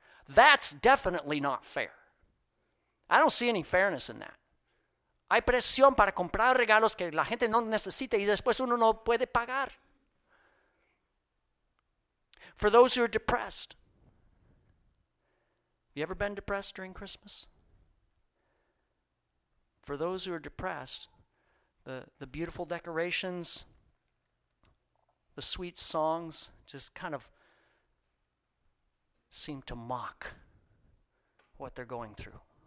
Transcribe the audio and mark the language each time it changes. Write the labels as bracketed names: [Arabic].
[English] That's definitely not fair. I don't see any fairness in that. [Spanish] Hay presión para comprar regalos que la gente no necesita y después uno no puede pagar. [English] For those who are depressed, you ever been depressed during Christmas? For those who are depressed, the beautiful decorations, the sweet songs just kind of seem to mock what they're going through.